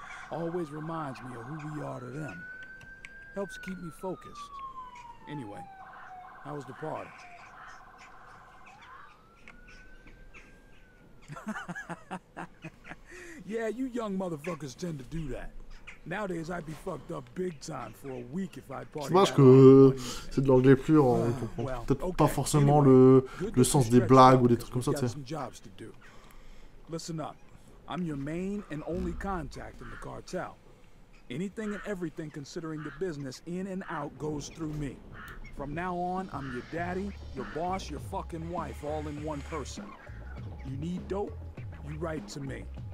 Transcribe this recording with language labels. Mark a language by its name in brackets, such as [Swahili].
[English] Always reminds me of who we are to them. Helps keep me focused. Anyway, how was the party? Yeah, you young motherfuckers tend to do that. Nowadays, I'd be fucked up big time for a week if I'd party. [French] C'est dommage que c'est de l'anglais pur, on comprend peut-être pas forcément le sens des blagues ou des trucs comme ça, tu sais. [English] Listen up. I'm your main and only contact in the cartel. Anything and everything considering the business in and out goes through me. From now on, I'm your daddy, your boss, your fucking wife, all in one person. You need dope? You write to me.